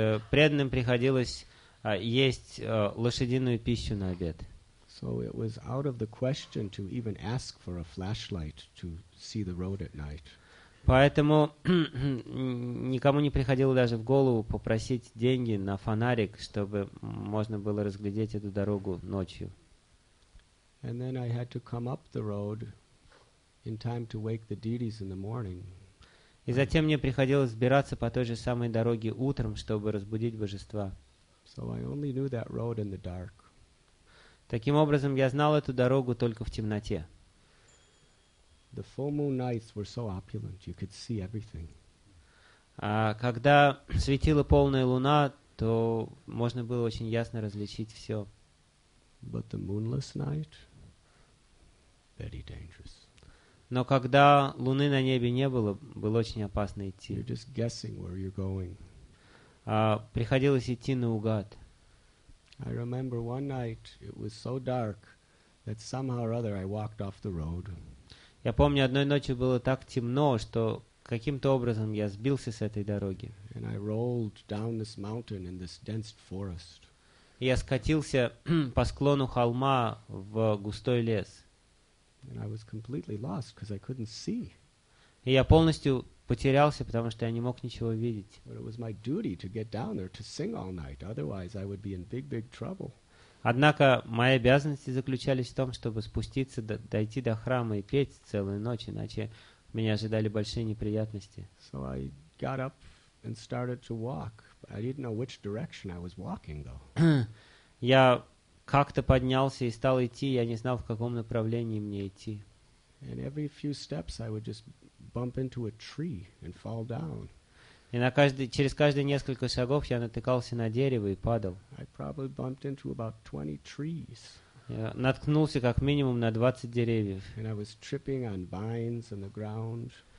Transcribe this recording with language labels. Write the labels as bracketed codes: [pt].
[ru] Преданным приходилось есть лошадиную пищу на обед. [en] So it was out of the question to even ask for a flashlight to see the road at night. [ru] Поэтому никому не приходило даже в голову попросить деньги на фонарик, чтобы можно было разглядеть эту дорогу ночью. [en] And then I had to come up the road in time to wake the deities in the morning. [ru] И затем мне приходилось сбираться по той же самой дороге утром, чтобы разбудить божества. [en] So I only knew that road in the dark. [ru] Таким образом, я знал эту дорогу только в темноте. [en] The full moon nights were so opulent, you could see everything. [ru] Когда светила полная луна, то можно было очень ясно различить все. [en] But the moonless night, very dangerous. [ru] Но когда луны на небе не было, было очень опасно идти. [en] You're just guessing where you're going. [ru] Приходилось идти наугад. [en] I remember one night, it was so dark that somehow or other I walked off the road. [ru] Я помню, одной ночью было так темно, что каким-то образом я сбился с этой дороги. [en] And I rolled down this mountain in this dense forest. [ru] И я скатился по склону холма в густой лес. [en] And I was completely lost because I couldn't see. [ru] И я полностью потерялся, потому что я не мог ничего видеть. [en] But it was my duty to get down there to sing all night, otherwise I would be in big, big trouble. [ru] Однако мои обязанности заключались в том, чтобы спуститься, дойти до храма и петь целую ночь, иначе меня ожидали большие неприятности. [en] So I got up and started to walk. I didn't know which direction I was walking, though. [ru] Я как-то поднялся и стал идти, я не знал, в каком направлении мне идти. [en] And every few steps I would just bump into a tree and fall down. [ru] И через каждые несколько шагов я натыкался на дерево и падал. [en] I probably bumped into about 20 trees. [ru] Я наткнулся как минимум на 20 деревьев. [en] And I was tripping on vines on the ground.